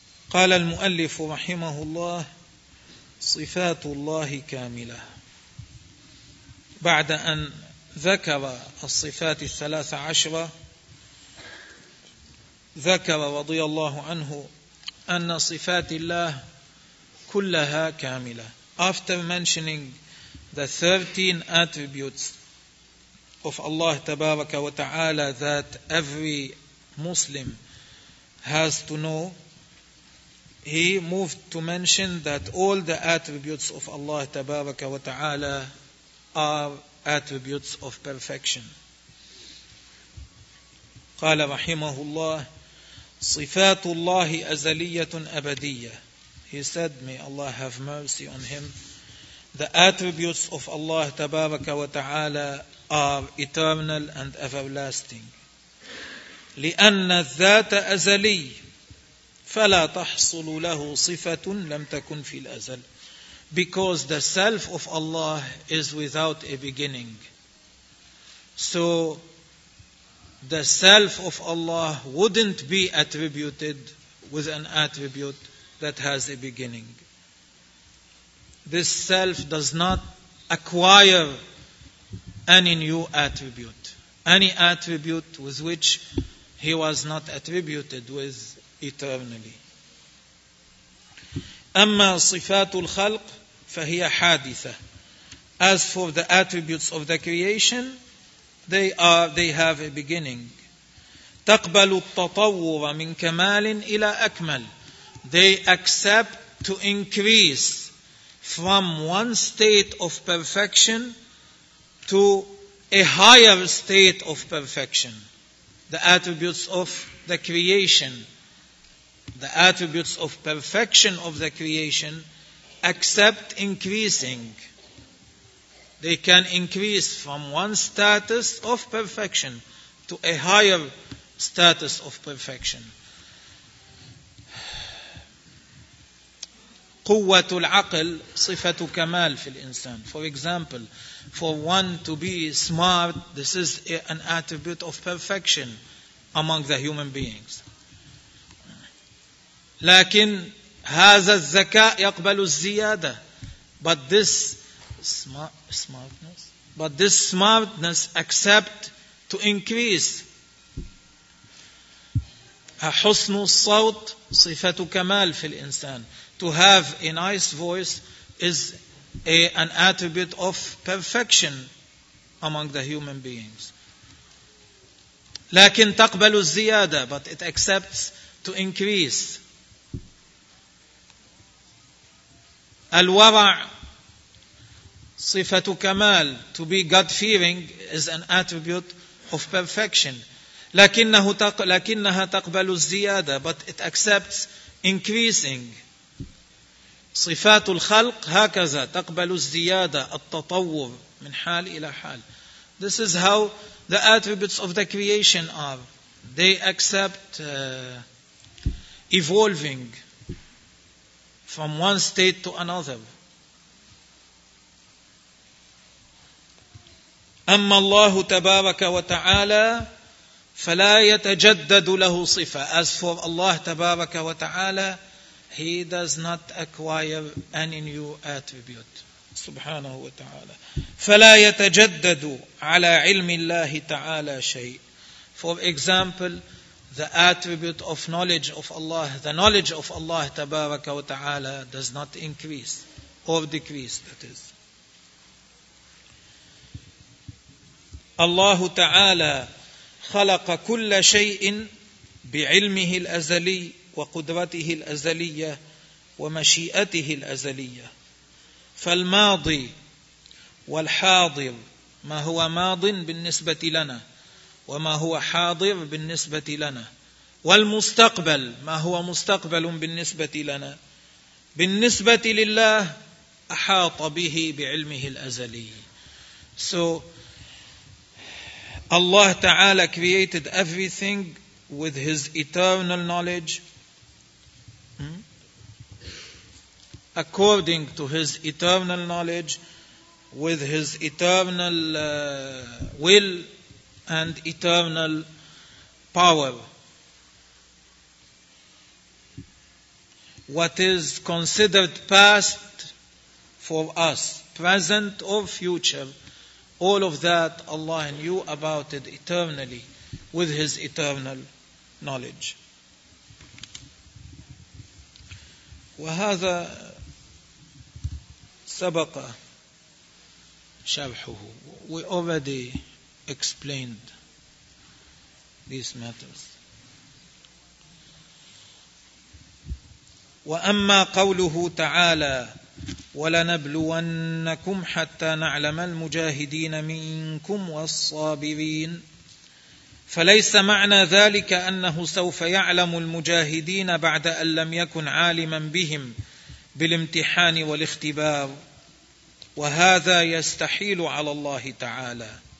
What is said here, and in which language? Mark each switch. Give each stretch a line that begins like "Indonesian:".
Arabic: قال المؤلف رحمه الله صفات الله كاملة بعد أن ذكر الصفات الثلاث عشرة ذكر رضي الله عنه أن صفات الله كلها كاملة.
English: After mentioning the 13 attributes of Allah
Arabic: تبارك وتعالى
English: that every Muslim has to know, he moved to mention that all the attributes of Allah تبارك وتعالى are attributes of perfection.
Arabic: قال رحمه الله صفات الله أزلية أبدية.
English: He said, may Allah have mercy on him. The attributes of Allah
Arabic: تبارك وتعالى
English: are eternal and everlasting.
Arabic: لأن الذات أزلي فلا تحصل له صفة لم تكن في الأزل.
English: Because the self of Allah is without a beginning. So the self of Allah wouldn't be attributed with an attribute that has a beginning. This self does not acquire any new attribute, any attribute with which he was not attributed with eternally.
Arabic: أما صفات الخلق فهي حادثة.
English: As for the attributes of the creation, they have a beginning.
Arabic: تقبل التطور من كمال إلى أكمل.
English: They accept to increase from one state of perfection to a higher state of perfection. The attributes of the creation, the attributes of perfection of the creation, accept increasing. They can increase from one status of perfection to a higher status of perfection.
Arabic: قوة العقل صفة كمال في الإنسان.
English: For example, for one to be smart, this is an attribute of perfection among the human beings.
Arabic: لكن هذا الذكاء يقبل الزيادة.
English: But this smartness, but this smartness accept to increase.
Arabic: حسن الصوت صفة كمال في الإنسان.
English: To have a nice voice is an attribute of perfection among the human beings.
Arabic: لكن تقبل الزيادة,
English: but it accepts to increase.
Arabic: الورع صفة كمال.
English: To be God-fearing is an attribute of perfection.
Arabic: لكنها تقبل الزيادة,
English: but it accepts increasing.
Arabic: صفات الخلق هكذا تقبل الزيادة التطور من حال إلى حال.
English: This is how the attributes of the creation are. They accept evolving from one state to another.
Arabic: أما الله تبارك وتعالى فلا يتجدد له صفة.
English: As for Allah
Arabic: تبارك وتعالى,
English: He does not acquire any new attribute.
Arabic: سبحانه وتعالى. فلا يتجدد على علم الله تعالى شيء.
English: For example, the attribute of knowledge of Allah, the knowledge of Allah
Arabic: تبارك وتعالى
English: does not increase or decrease, that is.
Arabic: الله تعالى خلق كل شيء بعلمه الأزلي وقدرته الأزلية ومشيئته الأزلية. فالماضي والحاضر، ما هو ماض بالنسبة لنا وما هو حاضر بالنسبة لنا، والمستقبل ما هو مستقبل بالنسبة لنا، بالنسبة لله أحاط به بعلمه الأزلي.
English: So Allah Ta'ala created everything with His eternal knowledge, according to His eternal knowledge, with His eternal will and eternal power. What is considered past for us, present or future, all of that Allah knew about it eternally with His eternal knowledge.
Arabic: وهذا سبق شرحه.
English: We already explained these matters.
Arabic: وأما قوله تعالى ولنبلونكم حتى نعلم المجاهدين منكم والصابرين، فليس معنى ذلك أنه سوف يعلم المجاهدين بعد أن لم يكن عالما بهم بالامتحان والاختبار، وهذا يستحيل على الله تعالى،